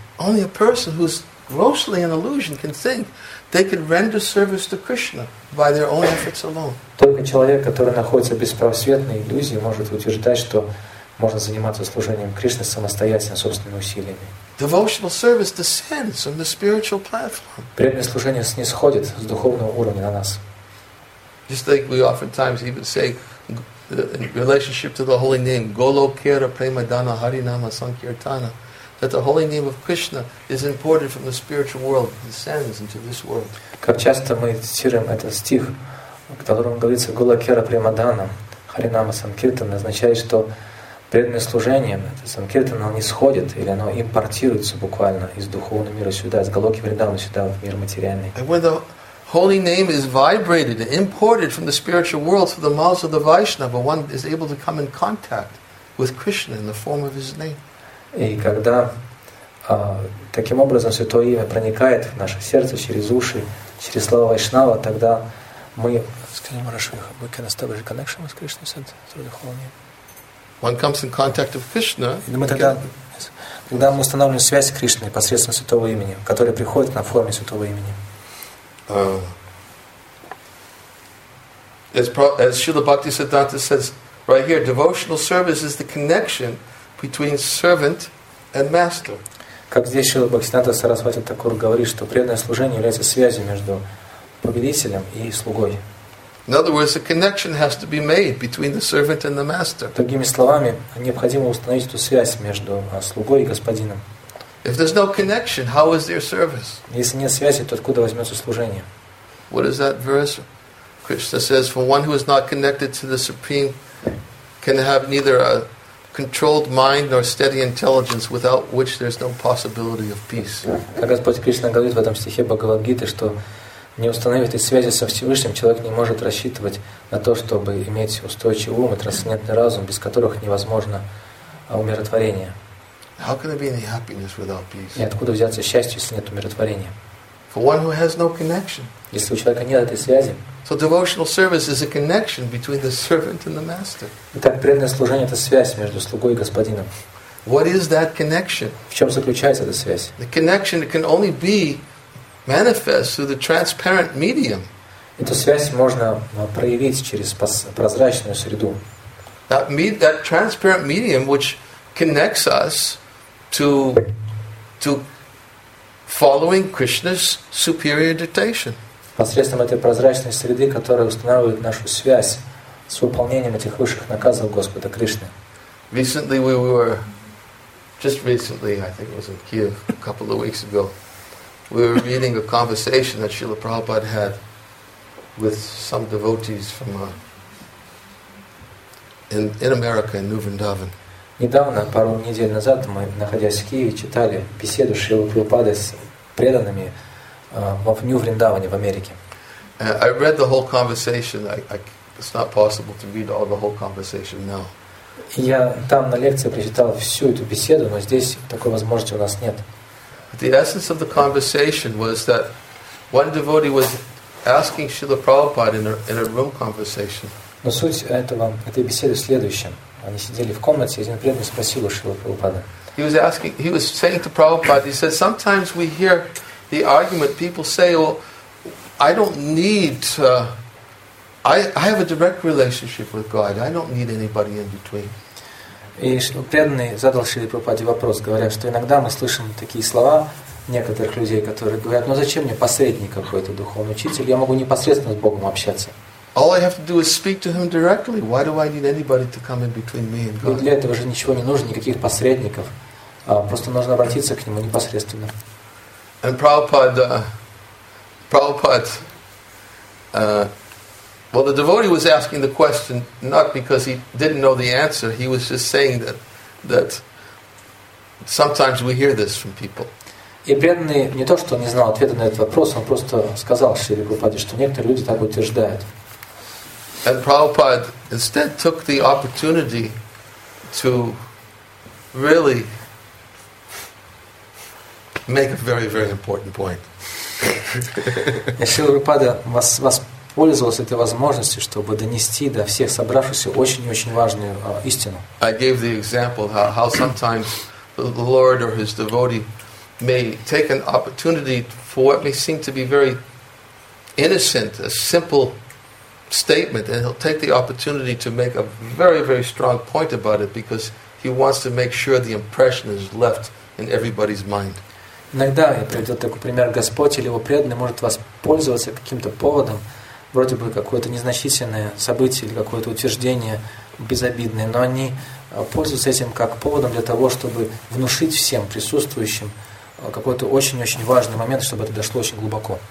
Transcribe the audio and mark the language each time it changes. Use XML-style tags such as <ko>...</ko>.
<en>Only a person who's grossly an illusion can think they could render service to Krishna by their own efforts alone.</en> <ru>Только человек, который находится в беспросветной иллюзии, может утверждать, что можно заниматься служением Кришны самостоятельно, собственными усилиями.</ru> <en>Devotional service descends from the spiritual platform.</en> <ru>Преданное служение снисходит с духовного уровня на нас.</ru> <en>Just like we oftentimes even say in relationship to the holy name,</en> <bn>Golokera Premadana Harinama Sankirtana,</bn> <en>that the holy name of Krishna is imported from the spiritual world, descends into this world.</en> <ru>Как часто мы цитируем этот стих, в котором говорится</ru> <bn>Голокера Премадана Харинама Санкиртана,</bn> <ru>означает, что преданное служение, это санкиртана, оно исходит или оно импортируется буквально из духовного мира сюда, из Голоки Вриндавана сюда, в мир материальный.</ru> <en>And when the holy name is vibrated, imported from the spiritual world through the mouths of the Vaishnava, one is able to come in contact with Krishna in the form of his name.</en> <ru>И когда таким образом Святое Имя проникает в наше сердце через уши, через слова Вайшнава, тогда мы... Скажи, Марашвиха,</ru> <en>we can establish a connection with Krishna said, through the holy name. One comes in contact with Krishna.</en> <ru>Когда мы устанавливаем связь с Кришной посредством Святого Имени, которое приходит на форме Святого Имени.</ru> <en>As Śrīla Bhaktisiddhānta says right here, devotional service is the connection between servant and master.</en> <ru>Как здесь Śrīla Bhaktisiddhānta Sarasvati Thakur говорит, что преданное служение является связью между повелителем и слугой.</ru> <en>In other words, a connection has to be made between the servant and the master.</en> <ru>Другими словами, необходимо установить эту связь между слугой и господином.</ru> <en>If there's no connection, how is there service?</en> <ru>Если нет связи, то откуда возьмется служение?</ru> <en>What is that verse? Krishna says, "For one who is not connected to the Supreme can have neither a controlled mind nor steady intelligence, without which there's no possibility of peace."</en> <ru>Как Господь Кришна говорит в этом стихе Бхагавад-гиты, что не установив этой связи со Всевышним, человек не может рассчитывать на то, чтобы иметь устойчивый ум и трансцендентный разум, без которых невозможно умиротворение.</ru> <en>How can there be any happiness without peace?</en> <ru>И откуда взяться счастью, если нет умиротворения?</ru> <en>For one who has no connection.</en> <ru>Если у человека нет этой связи.</ru> <en>So devotional service is a connection between the servant and the master.</en> <ru>Итак, преданное служение — это связь между слугой и господином.</ru> <en>What is that connection?</en> <ru>В чем заключается эта связь?</ru> <en>The connection can only be manifest through the transparent medium.</en> <ru>Эту связь можно проявить через прозрачную среду.</ru> <en>That transparent medium which connects us to following Krishna's superior dictation.</en> <ru>Посредством этой прозрачной среды, которая устанавливает нашу связь с выполнением этих высших наказов Господа Кришны.</ru> <en>Recently we were, just recently, I think it was in Kiev a couple of weeks ago, we were reading a conversation that Srila Prabhupada had with some devotees from in America, in New Vrindavan.</en> <ru>Недавно, пару недель назад, мы, находясь в Киеве, читали беседу Шрилы Прабхупады с преданными в Нью-Вриндаване, в Америке.</ru> <en>I read the whole conversation. It's not possible to read all the whole conversation now.</en> <ru>Я там на лекции прочитал всю эту беседу, но здесь такой возможности у нас нет.</ru> <en>The essence of the conversation was that one devotee was asking Srila Prabhupada in a room conversation.</en> <ru>Но суть этой беседы в следующем. Они сидели в комнате, и один преданный спросил у Шрилы Прабхупады.</ru> <en>He was saying to Prabhupada, he said, sometimes we hear the argument, people say, well, I don't need to, I have a direct relationship with God, I don't need anybody in between.</en> <ru>И преданный задал Шриле Прабхупаде вопрос, говоря, что иногда мы слышим такие слова некоторых людей, которые говорят, ну зачем мне посредник какой-то, духовный учитель, я могу непосредственно с Богом общаться.</ru> <en>All I have to do is speak to him directly. Why do I need anybody to come in between me and God?</en> <ru>Для этого же ничего не нужно, никаких посредников. Просто нужно обратиться к нему непосредственно.</ru> <en>And Prabhupada, the devotee was asking the question not because he didn't know the answer. He was just saying that sometimes we hear this from people.</en> <ru>И преданный не то, что не знал ответа на этот вопрос, он просто сказал Шри Прабхупаде, что некоторые люди так утверждают.</ru> <en>And Prabhupada instead took the opportunity to really make a very, very important point.</en> <ru>Шрила Прабхупада воспользовался этой возможностью, чтобы донести до всех собравшихся очень и очень важную истину.</ru> <en>I gave the example how sometimes the Lord or His devotee may take an opportunity for what may seem to be very innocent, a simple statement, and he'll take the opportunity to make a very, very strong point about it because he wants to make sure the impression is left in everybody's mind.</en> <ru>Иногда, я приведу такой пример, Господь или его преданный может воспользоваться каким-то поводом, вроде бы какое-то незначительное событие или какое-то утверждение безобидное, но они пользуются этим как поводом для того, чтобы внушить всем присутствующим какой-то очень-очень важный момент, чтобы это дошло очень глубоко.</ru>